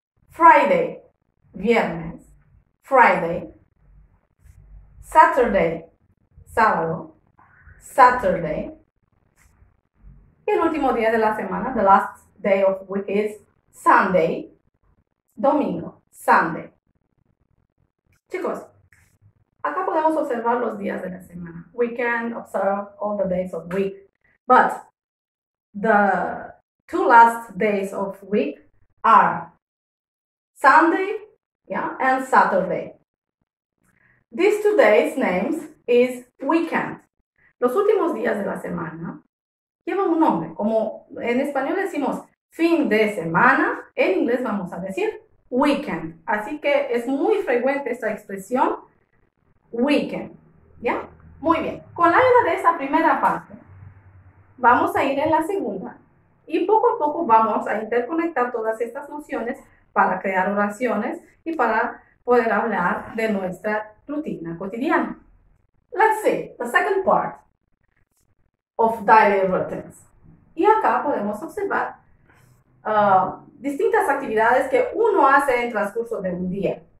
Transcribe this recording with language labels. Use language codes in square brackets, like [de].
[en] Friday, viernes, Friday, Saturday, sábado, Saturday, [es] y el último día de la semana, [en] the last day of week is Sunday, domingo, Sunday. [es] Chicos, acá podemos observar los días de la semana. [en] We can observe all the days of week. But the two last days of week are Sunday, yeah, and Saturday. These two days' names is weekend. [es] Los últimos días de la semana llevan un nombre. Como en español decimos fin de semana, en inglés vamos a decir weekend. Así que es muy frecuente esta expresión, weekend. ¿Ya? Muy bien. Con la ayuda de esa primera parte, vamos a ir en la segunda. Y poco a poco vamos a interconectar todas estas nociones para crear oraciones y para poder hablar de nuestra rutina cotidiana. [en] Let's see the second part of daily routines. [es] Y acá podemos observar distintas actividades que uno hace en transcurso de un día.